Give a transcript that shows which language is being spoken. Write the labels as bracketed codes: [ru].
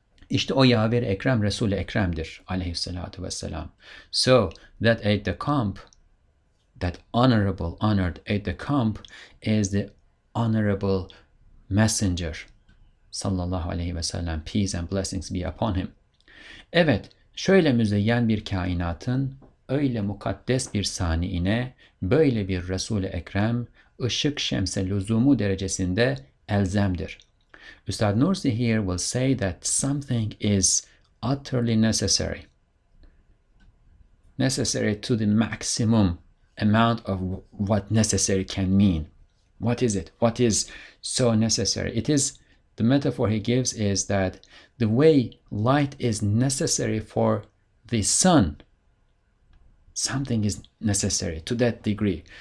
[tr] İşte o Yaver-i Ekrem Resul-i Ekrem'dir aleyhissalatu vesselam. [en] So that aide-de-camp, that honored aide-de-camp, is the honorable messenger sallallahu aleyhi ve sellem. Peace and blessings be upon him. [tr] Evet, şöyle müzeyyen bir kainatın, öyle mukaddes bir saniine, böyle bir Resul-i Ekrem, ışık şemse lüzumu derecesinde elzemdir. [en] Üstad Nursi here will say that something is utterly necessary. Necessary to the maximum amount of what necessary can mean. What is it? What is so necessary? It is, the metaphor he gives is that the way light is necessary for the sun, something is necessary to that degree.